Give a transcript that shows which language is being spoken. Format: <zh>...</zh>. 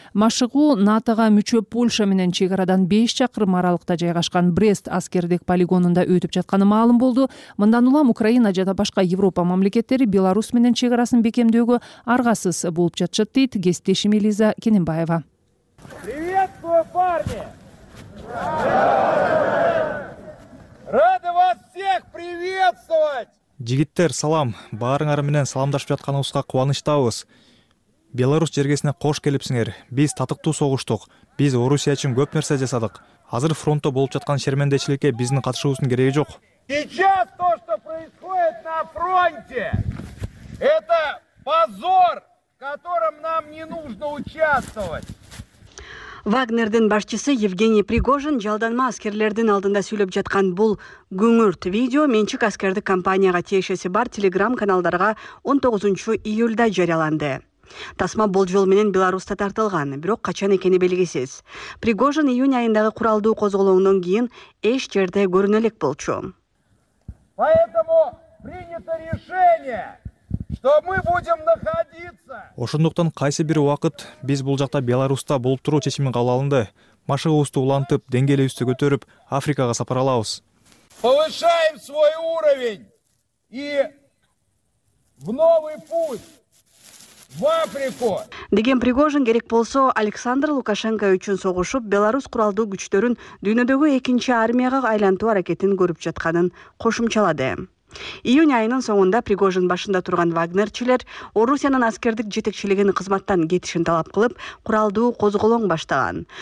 <ky>Машыгуу НАТОга мүчө Польша менен чек арадан 5 чакырым аралыкта жайгашкан Брест аскердик полигонунда өтүп жатканы маалым болду. Мындан улам Украина жана башка Европа мамлекеттери Беларусь менен чек арасын бекемдөөгө аргасыз болуп жатышат, дейт кесиптешим Элиза Кененбаева.</ky> <ru>Приветствую, парни! Рады вас всех приветствовать!</ru> <ky>Жигиттер, салам. Баарыңар менен саламдашып жатканыбызга кубанычтабыз. Беларусь жергесине кош келипсиңер. Биз татыктуу согуштук. Биз Орусия үчүн көп нерсе жасадык. Азыр фронтто болуп жаткан шермендечиликке биздин катышуубуздун кереги жок.</ky> <ru>Сейчас то, что происходит на фронте, это позор, которым нам не нужно участвовать.</ru> <ky>Вагнердин башчысы Евгений Пригожин жалданма аскерлердин алдында сүйлөп жаткан бул күңүрт видео менчик аскердик компанияга тиешеси бар телеграм каналдарга 19 июлда жарыяланды. Тасма болжол менен Беларусьта тартылган, бирок качан экени белгисиз. Пригожин июнь айындагы куралдуу козголоңдон кийин эч жерде көрүнө элек болчу.</ky> <ru>Поэтому принято решение, что мы будем находиться.</ru> <ky>Ошондуктан кайсы бир убакыт биз бул жакта Беларусьта болуп туруу чечими кабыл алынды. Машыгыбызды улантып, деңгээлибизди көтөрүп, Африкага сапар алабыз.</ky> <ru>Повышаем свой уровень и в новый путь в Африку.</ru> <ky>Деген Пригожин керек болсо, Александр Лукашенко үчүн согушуп, Беларусь куралдуу күчтөрүн дүйнөдөгү экинчи армияга айлантуу аракетин көрүп жатканын кошумчалады. Июнь айынын соңунда Пригожин башында турган Вагнерчилер Орусиянын аскердик жетекчилигинин кызматтан кетишин талап кылып, куралдуу козголоң баштаган.</ky>